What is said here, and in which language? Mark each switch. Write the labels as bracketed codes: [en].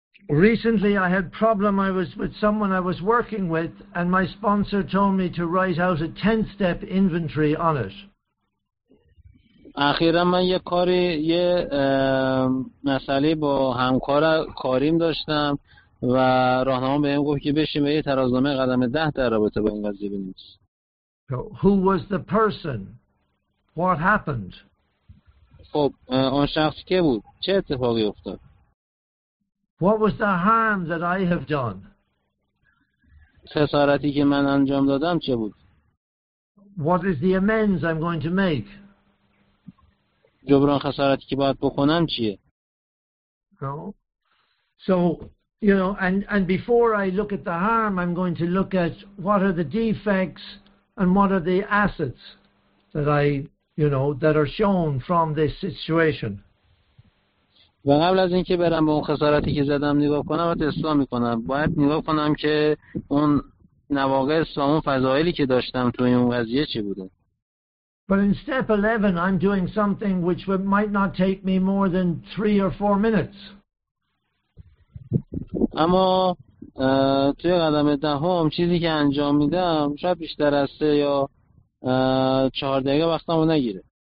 [en] Recently I had problem I was with someone I was working with and my sponsor told me to write out a 10 step inventory on it. [fa] اخیرا من یه کاری، یه مسئله با همکار کاریم داشتم و راهنما بهم گفت که بشیم به یه ترازنامه قدم ده در رابطه با این قضیه بنویسیم. [en] So, who was the person? What happened? [fa] خب اون شخص که بود، چه اتفاقی افتاد؟ [en] What was the harm that I have done? [fa] خسارتی که من انجام دادم چه بود؟ [en] What is the amends I'm going to make? [fa] جبران خسارتی که باید بکنم چیه؟ [en] No. So, you know, and before I look at the harm, I'm going to look at what are the defects and what are the assets that I, you know, that are shown from this situation. [fa] و قبل از اینکه برم به اون خسارتی که زدم نگاه کنم، باید اصلاح میکنم. باید نگاه کنم که اون نواقص و اون فضائلی که داشتم توی اون قضیه چی بوده. [en] But in step 11, I'm doing something which might not take me more than 3 or 4 minutes. [fa] اما توی قدم دهم چیزی که انجام میدم شاید بیشتر از 3 یا 4 دقیقه وقتمو نگیره.